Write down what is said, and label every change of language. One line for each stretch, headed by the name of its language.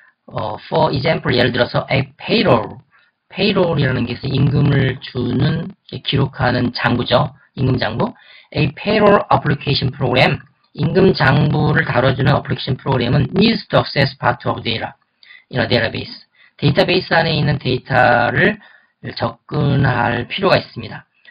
English: For example,
Korean: 예를 들어서
English: a payroll.
Korean: payroll이라는 게 임금을 주는, 기록하는 장부죠. 임금 장부.
English: a payroll application program.
Korean: 임금 장부를 다뤄주는 어플리케이션 프로그램은
English: needs to access part of data in a database.
Korean: 데이터베이스 안에 있는 데이터를 접근할 필요가 있습니다.